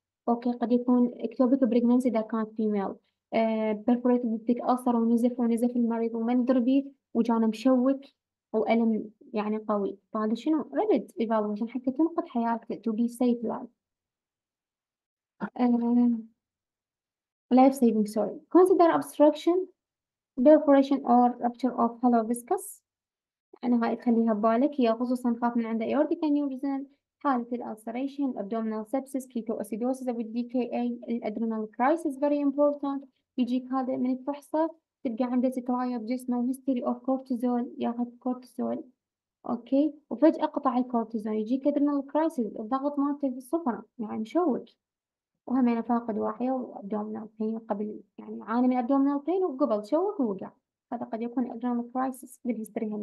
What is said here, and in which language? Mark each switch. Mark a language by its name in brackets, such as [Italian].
[Arabic] اوكي، قد يكون ectopic pregnancy اذا كانت female، perforated pleuric ulcer، ونزف ونزف المريض وما ندري بيه، وجانا مشوك وألم يعني قوي، فهذا شنو؟ ريبت ايفالويشن حتى تنقذ حياتك، [English] to be safe life. life saving sorry. consider obstruction, perforation or rupture of hollow viscous. [Arabic] أنا هاي تخليها ببالك، هي خصوصا خاف من عنده aortic aneurysm، حالة الالسريشن، abdominal sepsis، ketoacidosis of DKA، الادرينال كرايسيس [English] very important. [Arabic] يجيك هذا من الفحصة تلقى عنده تتغير بجسمه، history of cortisol، ياخذ كورتيزول اوكي، وفجأة قطع الكورتيزول يجيك ادرينال كرايسيس، الضغط مالته في الصفر يعني مشوك، وهم انا فاقد وعيه وابدومينال بين قبل، يعني عاني من ابدومينال بين وقبل شوك ووقع، هذا قد يكون ادرينال كرايسيس بالهيستوري.